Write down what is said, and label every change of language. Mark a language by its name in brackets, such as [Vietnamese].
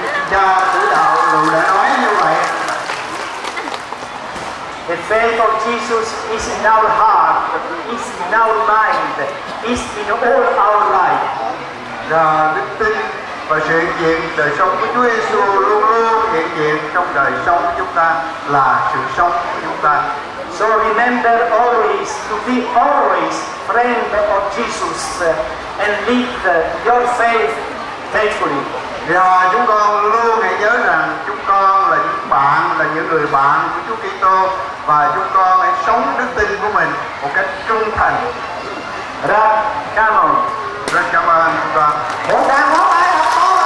[Vietnamese] Cha tử đạo Lù đã nói như vậy. [English] The faith of Jesus is in our heart, is in our mind, is in all our life. [Vietnamese] Là đức tin và sự hiện diện đời sống của Chúa Giêsu luôn luôn hiện diện trong đời sống của chúng ta, là sự sống của chúng ta. [English] So remember always to be always friend of Jesus and live your faith faithfully. [Vietnamese] Và chúng con luôn hãy nhớ rằng chúng con là những bạn, là những người bạn của Chúa Kitô, và chúng con hãy sống đức tin của mình một cách trung thành. Rất cảm ơn. Rất cảm ơn chúng con. Một tràng pháo tay thật to.